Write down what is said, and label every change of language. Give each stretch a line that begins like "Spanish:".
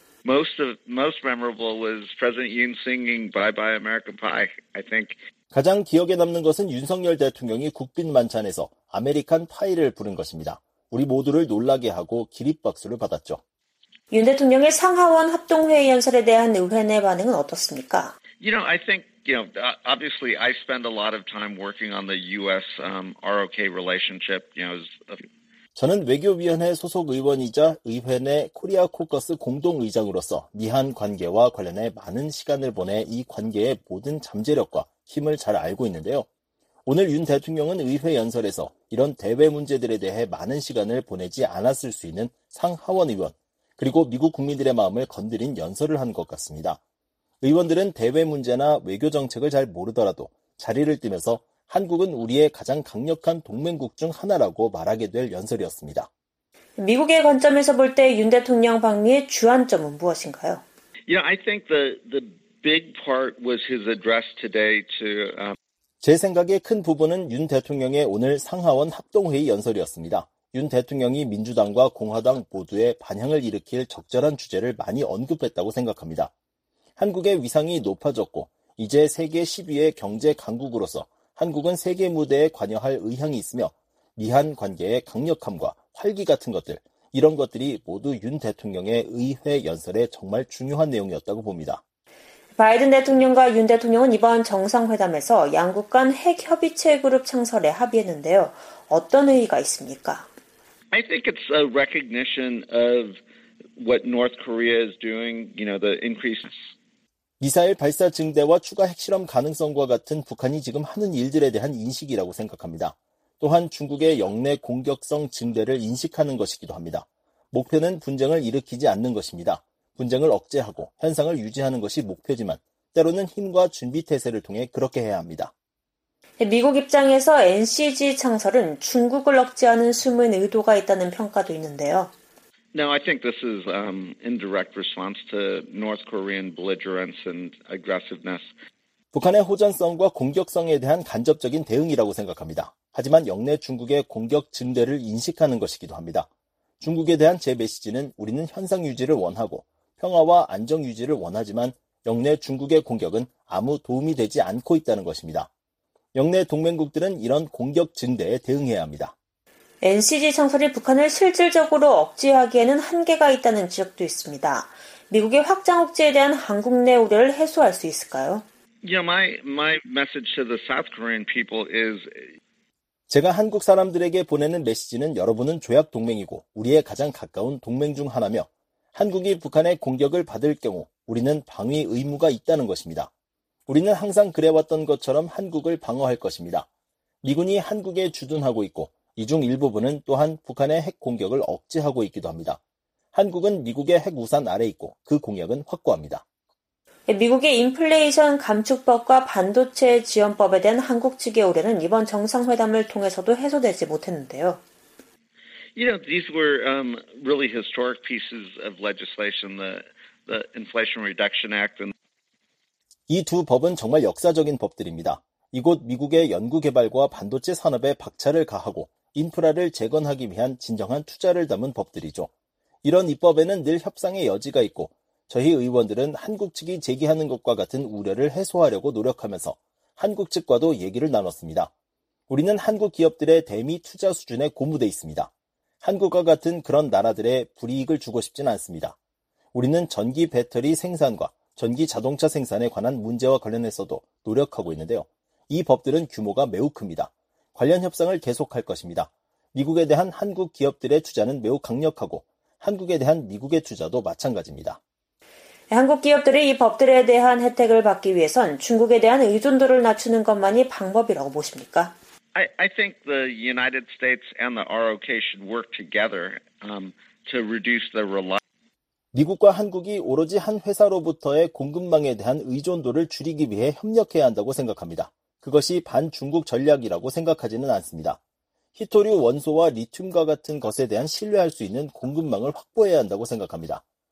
English: Most memorable was President Yoon singing Bye Bye American Pie, I think.
Korean: 가장 기억에 남는 것은 윤석열 대통령이 국빈 만찬에서 아메리칸 파이를 부른 것입니다. 우리 모두를 놀라게 하고 기립박수를 받았죠. 윤 대통령의 상하원 합동회의 연설에 대한 의회의 반응은 어떻습니까?
English: You know, I think, you know, obviously I spend a lot of time working on the U.S. ROK relationship. You know,
Korean: 저는 외교위원회 소속 의원이자 의회 내 코리아 코커스 공동의장으로서 미한 관계와 관련해 많은 시간을 보내 이 관계의 모든 잠재력과 힘을 잘 알고 있는데요. 오늘 윤 대통령은 의회 연설에서 이런 대외 문제들에 대해 많은 시간을 보내지 않았을 수 있는 상하원 의원, 그리고 미국 국민들의 마음을 건드린 연설을 한 것 같습니다. 의원들은 대외 문제나 외교 정책을 잘 모르더라도 자리를 뜨면서 한국은 우리의 가장 강력한 동맹국 중 하나라고 말하게 될 연설이었습니다. 미국의 관점에서 볼 때 윤 대통령 방미의 주안점은 무엇인가요?
English: Yeah, I think the big part was his address today to
Korean: 제 생각의 큰 부분은 윤 대통령의 오늘 상하원 합동회의 연설이었습니다. 윤 대통령이 민주당과 공화당 모두의 반향을 일으킬 적절한 주제를 많이 언급했다고 생각합니다. 한국의 위상이 높아졌고 이제 세계 10위의 경제 강국으로서 한국은 세계 무대에 관여할 의향이 있으며 미한 관계의 강력함과 활기 같은 것들, 이런 것들이 모두 윤 대통령의 의회 연설에 정말 중요한 내용이었다고 봅니다. 바이든 대통령과 윤 대통령은 이번 정상회담에서 양국 간 핵협의체 그룹 창설에 합의했는데요. 어떤 의의가 있습니까?
English: I think it's a recognition of what North Korea is doing, you know, the increased
Korean: 미사일 발사 증대와 추가 핵실험 가능성과 같은 북한이 지금 하는 일들에 대한 인식이라고 생각합니다. 또한 중국의 역내 공격성 증대를 인식하는 것이기도 합니다. 목표는 분쟁을 일으키지 않는 것입니다. 분쟁을 억제하고 현상을 유지하는 것이 목표지만 때로는 힘과 준비태세를 통해 그렇게 해야 합니다. 미국 입장에서 NCG 창설은 중국을 억제하는 숨은 의도가 있다는 평가도 있는데요.
English: No, I think this is indirect response to North Korean belligerence and aggressiveness.
Korean: 북한의 호전성과 공격성에 대한 간접적인 대응이라고 생각합니다. 하지만 역내 중국의 공격 증대를 인식하는 것이기도 합니다. 중국에 대한 제 메시지는 우리는 현상 유지를 원하고 평화와 안정 유지를 원하지만 역내 중국의 공격은 아무 도움이 되지 않고 있다는 것입니다. 역내 동맹국들은 이런 공격 증대에 대응해야 합니다. NCG 창설이 북한을 실질적으로 억제하기에는 한계가 있다는 지적도 있습니다. 미국의 확장 억제에 대한 한국 내 우려를 해소할 수 있을까요?
English: Yeah, my message to the South Korean people is
Korean: 제가 한국 사람들에게 보내는 메시지는 여러분은 조약 동맹이고 우리의 가장 가까운 동맹 중 하나며 한국이 북한의 공격을 받을 경우 우리는 방위 의무가 있다는 것입니다. 우리는 항상 그래왔던 것처럼 한국을 방어할 것입니다. 미군이 한국에 주둔하고 있고 이 중 일부분은 또한 북한의 핵 공격을 억제하고 있기도 합니다. 한국은 미국의 핵 우산 아래 있고 그 공약은 확고합니다. 미국의 인플레이션 감축법과 반도체 지원법에 대한 한국 측의 우려는 이번 정상회담을 통해서도 해소되지 못했는데요.
English: You know, these were really historic pieces of legislation, the Inflation Reduction Act.
Korean: 이 두 법은 정말 역사적인 법들입니다. 이곳 미국의 연구개발과 반도체 산업에 박차를 가하고 인프라를 재건하기 위한 진정한 투자를 담은 법들이죠. 이런 입법에는 늘 협상의 여지가 있고 저희 의원들은 한국 측이 제기하는 것과 같은 우려를 해소하려고 노력하면서 한국 측과도 얘기를 나눴습니다. 우리는 한국 기업들의 대미 투자 수준에 고무돼 있습니다. 한국과 같은 그런 나라들의 불이익을 주고 싶진 않습니다. 우리는 전기 배터리 생산과 전기 자동차 생산에 관한 문제와 관련해서도 노력하고 있는데요. 이 법들은 규모가 매우 큽니다. 관련 협상을 계속할 것입니다. 미국에 대한 한국 기업들의 투자는 매우 강력하고 한국에 대한 미국의 투자도 마찬가지입니다. 한국 기업들이 이 법들에 대한 혜택을 받기 위해선 중국에 대한 의존도를 낮추는 것만이 방법이라고 보십니까?
English: I think the United States and the ROK should work together to reduce the reliance.
Korean: 미국과 한국이 오로지 한 회사로부터의 공급망에 대한 의존도를 줄이기 위해 협력해야 한다고 생각합니다. 그것이 반중국 전략이라고 생각하지는 않습니다. 히토류 원소와 리튬과 같은 것에 대한 신뢰할 수 있는 공급망을 확보해야 한다고 생각합니다.